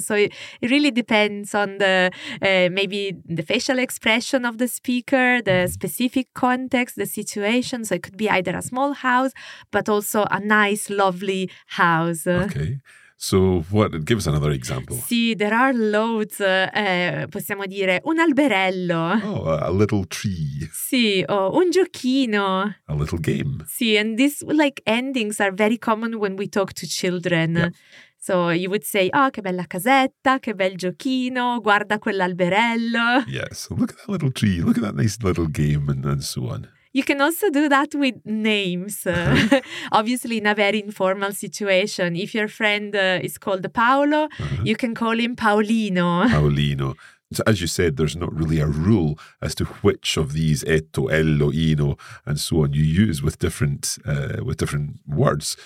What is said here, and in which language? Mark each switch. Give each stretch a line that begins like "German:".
English: So it really depends on the maybe the facial expression of the speaker, the mm-hmm. specific context, the situation. So it could be either a small house, but also a nice, lovely house. Okay. So what? Give us another example. Sì, there are loads.
Italian: Possiamo dire un alberello.
English: Oh, a little tree.
Italian: Sì, o un giochino.
English: A little game. Sì, and these like endings are very common when we talk to children. Yeah. So you would say,
Italian: oh, che bella casetta, che bel giochino, guarda quell'alberello.
English: Yes, look at that little tree, look at that nice little game, and so on. You can also do that with names, obviously in a very informal situation. If your friend is called Paolo, uh-huh. you can call him Paolino. Paolino. So as you said, there's not really a rule as to which of these etto, ello, ino, and so on you use with different words.